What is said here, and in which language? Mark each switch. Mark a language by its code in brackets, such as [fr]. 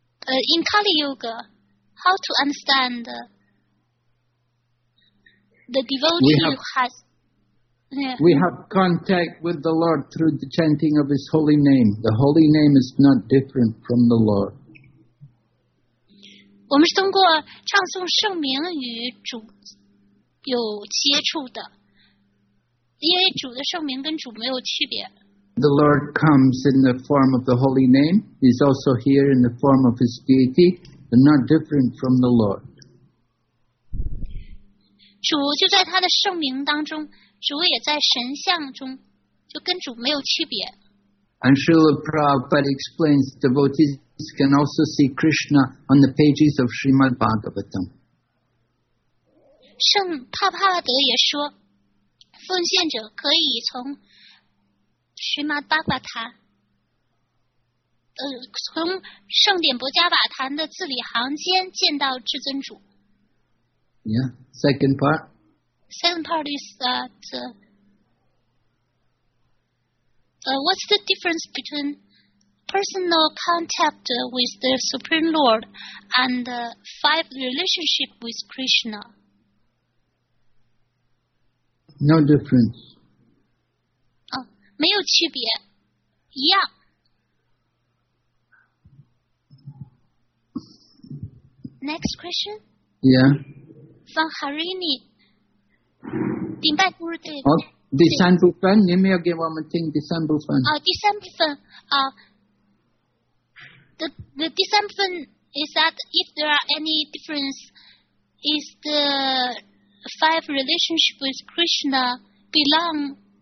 [en] In Kali Yuga, how to understand the devotee who has... Yeah. We have contact with the Lord through the chanting of His holy name. The holy name is not different from the Lord. [zh] 我们是通过唱诵圣名与主有接触的。因为主的圣名跟主没有区别。 [en] The Lord comes in the form of the holy name. He's also here in the form of His deity, but not different from the Lord. [zh] 主就在他的圣名当中，主也在神像中，就跟主没有区别。 [en] And Srila Prabhupada explains devotees can also see Krishna on the pages of Srimad Bhagavatam. [zh] 圣帕帕拉德也说奉献者可以从什么八卦坛从圣典博迦瓦坛的字里行间见到至尊主。 [en] Yeah, second part. Second part is that what's the difference between personal contact with the Supreme Lord and five relationship with Krishna? No difference. [zh] 没有区别，一样。 [en] Next question. Yeah. From [zh] Harini. 顶拜咕噜对。哦，第三部分，你没有给我们听第三部分。第三部分啊， [en] the [zh] 第三部分 [en] is that if there are any difference, is the five relationship with Krishna belong?